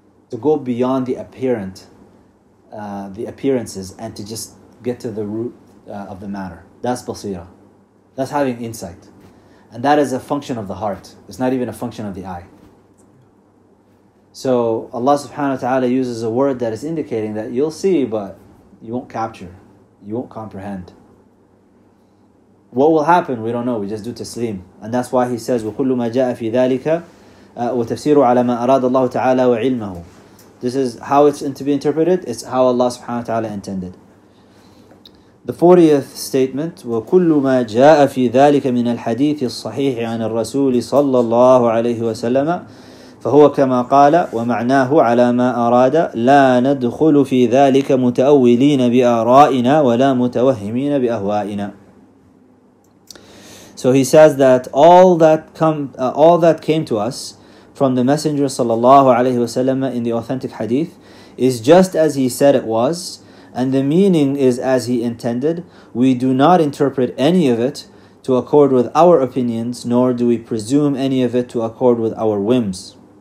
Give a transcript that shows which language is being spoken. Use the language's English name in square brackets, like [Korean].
[English] To go beyond the apparent, the appearances, and to just get to the root of the matter. That's basira. That's having insight. And that is a function of the heart. It's not even a function of the eye. So Allah subhanahu wa ta'ala uses a word that is indicating that you'll see, but you won't capture. You won't comprehend. What will happen? We don't know. We just do taslim. And that's why he says, [Arabic] وَكُلُّ مَا جَاءَ فِي ذَلِكَ وَتَفْسِيرُ عَلَى مَا أَرَادَ اللَّهُ تَعَالَى وَعِلْمَهُ. [English] This is how it's to be interpreted. It's how Allah subhanahu wa ta'ala intended. The 40th statement, [Arabic] وَكُلُّ مَا جَاءَ فِي ذَلِكَ مِنَ الْحَدِيثِ الصَّحِيحِ عَنَ الرَّسُولِ صَلَّى اللَّهُ عَلَيْهِ وَسَلَّمَ فَهُوَ كَمَا قَالَ وَمَعْنَاهُ عَلَى مَا أَرَادَ لَا نَدْخُلُ فِي ذَلِكَ مُتَأَوِّلِينَ بِآرَائِنَا وَلَا مُتَوَهِّمِينَ بِأَهْوَائِنَا. [English] So he says that all that came to us from the Messenger sallallahu alayhi wa sallam in the authentic hadith is just as he said it was, and the meaning is as he intended. We do not interpret any of it to accord with our opinions, nor do we presume any of it to accord with our whims.